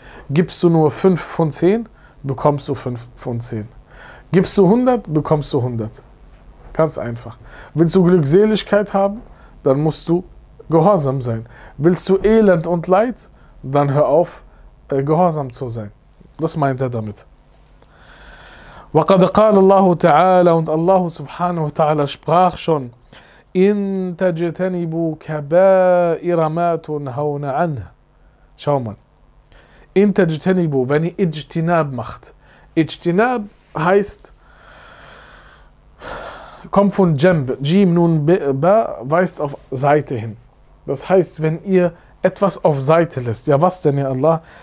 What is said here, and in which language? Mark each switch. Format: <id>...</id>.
<de>Gibst du nur 5 von 10, bekommst du 5 von 10. Gibst du 100, bekommst du 100. Ganz einfach. Willst du Glückseligkeit haben, dann musst du gehorsam sein. Willst du Elend und Leid, dann hör auf, gehorsam zu sein. Das meint er damit.</de> <ar>وَقَدْ قَالَ اللَّهُ تَعَالَى</ar> <de>und Allah subhanahu wa ta'ala sprach schon,</de> <ar>إِن تَجْتَنِبُوا كَبَائِرَ مَا تُنْهَوْنَ عَنْهَ.</ar> <de>Schau mal.</de> <ar>إِن تَجْتَنِبُوا,</ar> <de>wenn ihr Ijtinab macht. Ijtinab heißt, kommt von Jamb, Jim nun Ba, weist auf Seite hin. Das heißt, wenn ihr etwas auf Seite lässt, ja was denn, ja Allah?</de>